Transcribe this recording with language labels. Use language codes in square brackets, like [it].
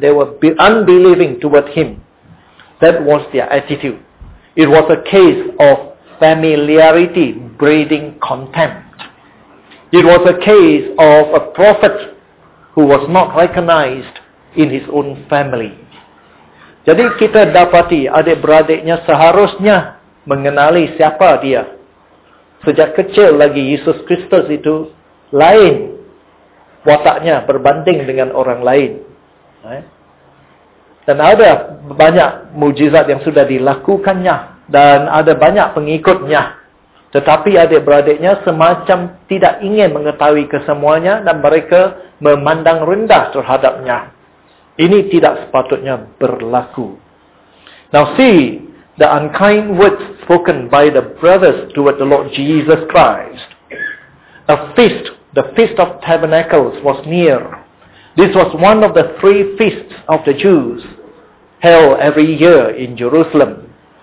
[en] They were unbelieving towards him. That was their attitude. It was a case of familiarity breeding contempt. It was a case of a prophet who was not recognized in his own family. [ms] Jadi kita dapati adik-beradiknya seharusnya mengenali siapa dia. Sejak kecil lagi Yesus Kristus itu lain wataknya berbanding dengan orang lain. Dan ada banyak mujizat yang sudah dilakukannya. Dan ada banyak pengikutnya. Tetapi adik-beradiknya semacam tidak ingin mengetahui kesemuanya dan mereka memandang rendah terhadapnya. Ini tidak sepatutnya berlaku. [en] Now see the unkind words spoken by the brothers toward the Lord Jesus Christ. A feast, the Feast of Tabernacles, was near. This was one of the three feasts of the Jews held every year in Jerusalem.